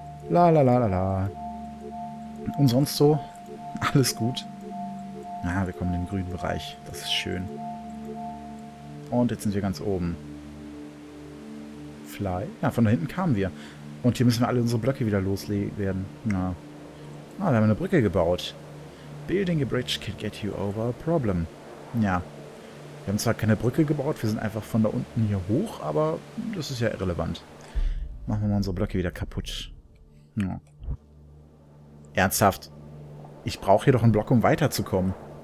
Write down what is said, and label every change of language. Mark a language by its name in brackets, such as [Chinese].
[German] La la la la la. Und sonst so? Alles gut. Na, ja, wir kommen in den grünen Bereich. Das ist schön. Und jetzt sind wir ganz oben. Fly? Ja, von da hinten kamen wir. Und hier müssen wir alle unsere Blöcke wieder loswerden. Ja. Ah, wir haben eine Brücke gebaut. [English] Building a bridge can get you over a problem. [German] Ja. Wir haben zwar keine Brücke gebaut, wir sind einfach von da unten hier hoch, aber das ist ja irrelevant. Machen wir mal unsere Blöcke wieder kaputt. Ja. Ernsthaft? Ich brauche hier doch einen Block, um weiterzukommen.